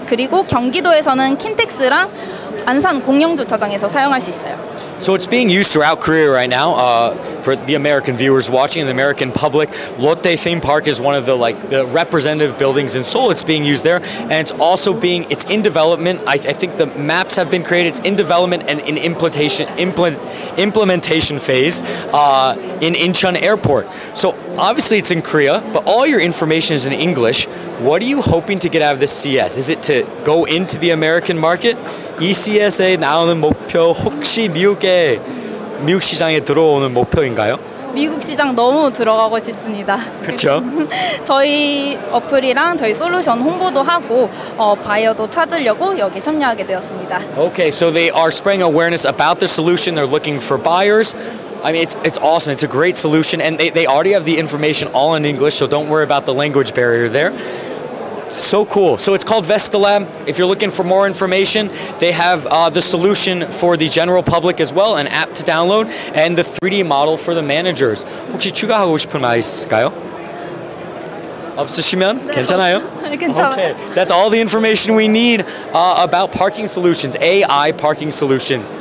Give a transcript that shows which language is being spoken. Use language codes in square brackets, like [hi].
[ko] 그리고 경기도에서는 킨텍스랑 안산 공영주차장에서 사용할 수 있어요. [en] So it's being used throughout Korea right now for the American viewers watching and the American public. Lotte Theme Park is one of the representative buildings in Seoul. It's being used there and it's also being, it's in development. I think the maps have been created. It's in development and in implementation phase in Incheon Airport. So obviously it's in Korea, but all your information is in English. What are you hoping to get out of this CS? Is it to go into the American market? [ko] ECS에 나오는 목표 혹시 미국에 미국 시장에 들어오는 목표인가요? 미국 시장 너무 들어가고 싶습니다. 그렇죠. 저희 어플이랑 저희 솔루션 홍보도 하고 바이어도 찾으려고 여기 참여하게 되었습니다. [en] Okay, so they are spreading awareness about the solution. They're looking for buyers. I mean, it's awesome. It's a great solution, and they already have the information all in English, so don't worry about the language barrier there. So cool. So it's called Vestalab. If you're looking for more information, they have the solution for the general public as well, an app to download, and the 3D model for the managers. [ko] 혹시 추가하고 싶은 말 있으실까요? 없으시면 네. 괜찮아요? 괜찮아요. [en] Okay. That's all the information we need about parking solutions, AI parking solutions.